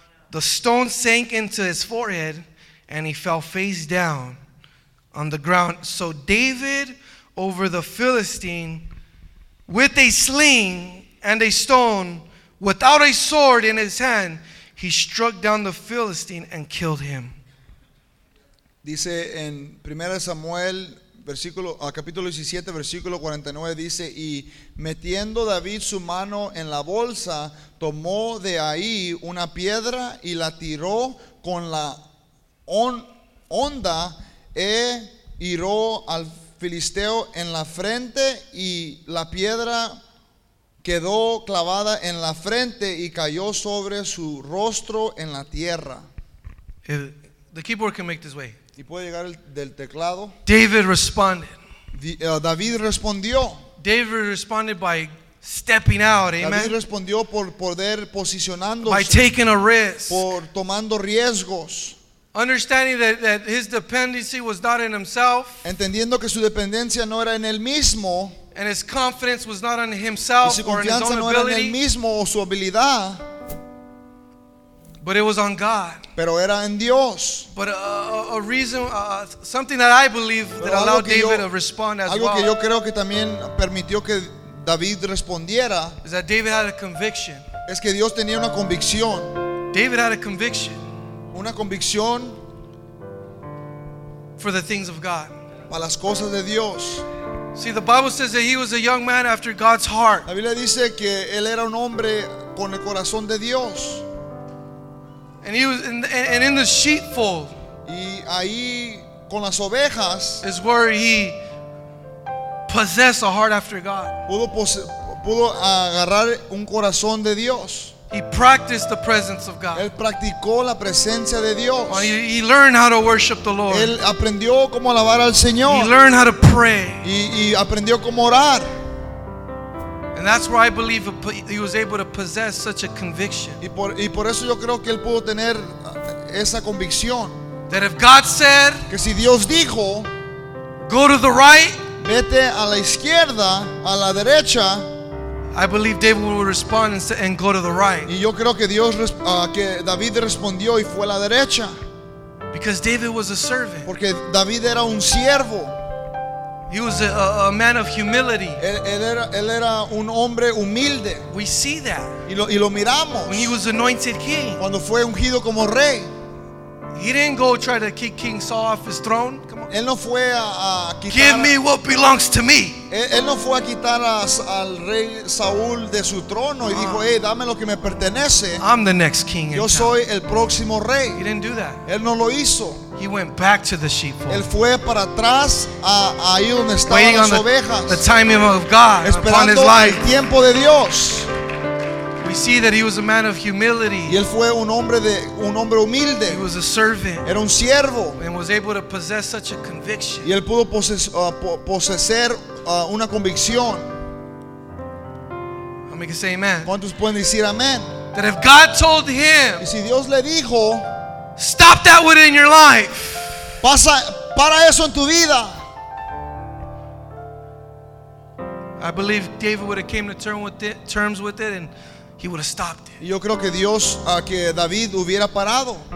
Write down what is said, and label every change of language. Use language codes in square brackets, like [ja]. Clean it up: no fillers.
[en] The stone sank into his forehead and he fell face down on the ground. So David over the Philistine with a sling and a stone without a sword in his hand, he struck down the Philistine and killed him. [es] Dice en 1 Samuel capítulo 17 versículo 49 dice y metiendo David su mano en la bolsa tomó de ahí una piedra y la tiró con la honda e hirió al filisteo en la frente y la piedra quedó clavada en la frente y cayó sobre su rostro en la tierra. [en] The keyboard can make this way. [es] Y puede llegar del teclado. [en] David responded. [es] David respondió. [en] David responded by stepping out, amen. [es] David respondió por poder posicionándose. [en] By taking a risk. [es] Por tomando riesgos. [en] Understanding that his dependency was not in himself. [es] Entendiendo que su dependencia no era en él mismo. [en] And his confidence was not on himself [es] y su confianza [en] or in his own [es] no era en él mismo o su habilidad. [en] But it was on God. [es] Pero era en Dios. [en] But a reason, something that I believe [es] Pero [en] that allowed David [es] yo, [en] to respond as [es] algo [en] well. [es] Algo que yo creo que también permitió que David respondiera. [en] Is that David had a conviction. [es] Es que Dios tenía una convicción. [en] David had a conviction. [es] Una convicción. [en] For the things of God. [es] Para las cosas de Dios. [en] See, the Bible says that he was a young man after God's heart. [es] La Biblia dice que él era un hombre con el corazón de Dios. [en] And he was in the sheepfold. [es] Y ahí con las ovejas [en] is where he possessed a heart after God. [es] Pudo agarrar un corazón de Dios. [en] He practiced the presence of God. [es] Él practicó la presencia de Dios. [en] He learned how to worship the Lord. [es] Él aprendió cómo alabar al Señor. [en] He learned how to pray. [es] Y aprendió cómo orar. [en] And that's where I believe he was able to possess such a conviction. [es] Y por eso yo creo que él pudo tener esa convicción. [en] That if God said, [es] que si Dios dijo, [en] go to the right, [es] vete a la izquierda, a la derecha, [en] I believe David will respond and go to the right. [es] Y yo creo que Dios que David respondió y fue a la derecha. [en] Because David was a servant. [es] Porque David era un siervo. [en] He was a man of humility. [es] Él era un hombre humilde. [en] We see that. [es] Y lo miramos. [en] When he was anointed king. [es] Cuando fue ungido como rey. [en] He didn't go try to kick King Saul off his throne. Come on. [es] Él no fue a quitar. [en] Give me what belongs to me. [es] Él no fue a quitar al rey Saúl de su trono y dijo, hey, dame lo que me pertenece. [en] I'm the next king. [es] Yo soy el próximo rey. [en] He didn't do that. [es] Él no lo hizo. [en] He went back to the sheepfold. [es] Él fue para atrás a ahí donde estaban las ovejas. [en] The timing of God upon his life. [es] El tiempo de Dios. [en] We see that he was a man of humility. [es] Y él fue un hombre humilde. [en] He was a servant. [es] Era un siervo. [en] And was able to possess such a conviction. [es] Y él pudo poseer una convicción. [en] How many can say amen? [es] ¿Cuántos pueden decir amén? [en] That if God told him, [es] y si Dios le dijo, [en] stop that within your life. [es] Pasa, para eso en tu vida. [en] I believe David would have came to terms with it and he would have stopped it. [es] Yo creo que Dios a que David hubiera parado.